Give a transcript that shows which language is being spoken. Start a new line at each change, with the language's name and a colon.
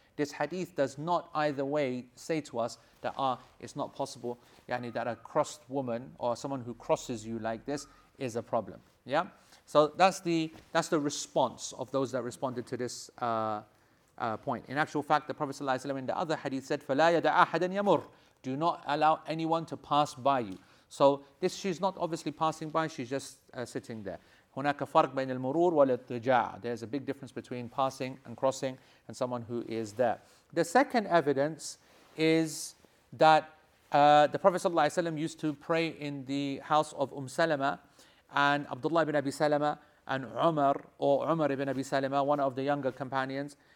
English: This hadith does not either way say to us that it's not possible yani, that a crossed woman or someone who crosses you like this is a problem. Yeah. So that's the response of those that responded to this point. In actual fact, the Prophet ﷺ in the other hadith said,
Arabic: فَلَا يَدَ أَحَدًا يَمُرْ.
English: Do not allow anyone to pass by you. So this, she's not obviously passing by, she's just sitting there.
Arabic: هناك فرق بين المرور والاضطجاع.
English: There's a big difference between passing and crossing and someone who is there. The second evidence is that the Prophet صلى الله عليه وسلم used to pray in the house of Salama and Abdullah ibn Abi Salama and Umar or Umar ibn Abi Salama, one of the younger companions.